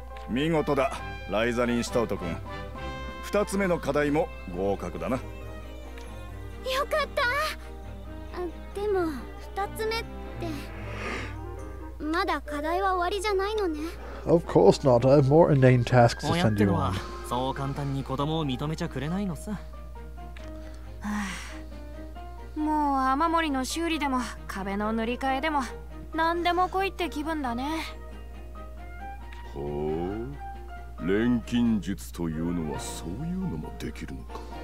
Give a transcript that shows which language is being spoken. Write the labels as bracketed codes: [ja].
[ja] 見事だ、ライザリン・シタウト君。二つ目の課題も合格だな。よかった。あ、でも二つ目ってまだ課題は終わりじゃないのね。 [en] Of course not. I have more inane tasks to send you on. [ja] そう簡単に子供を認めちゃくれないのさ。もう雨漏りの修理でも壁の塗り替えでも何でも来いって気分だね。ほう、錬金術というのはそういうのもできるのか。